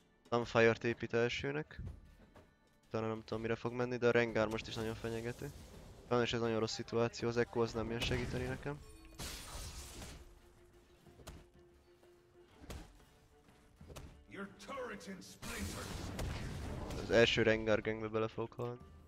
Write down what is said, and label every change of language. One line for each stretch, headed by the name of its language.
Hungarian: Sunfire TP-t elsőnek. Utána nem tudom mire fog menni, de a Rengar most is nagyon fenyegető. Sajnos ez nagyon rossz szituáció, az Echo az nem jön segíteni nekem.
English: Your turret in splinters.
Hungarian: Az első Rengar gangbe bele fogok halni.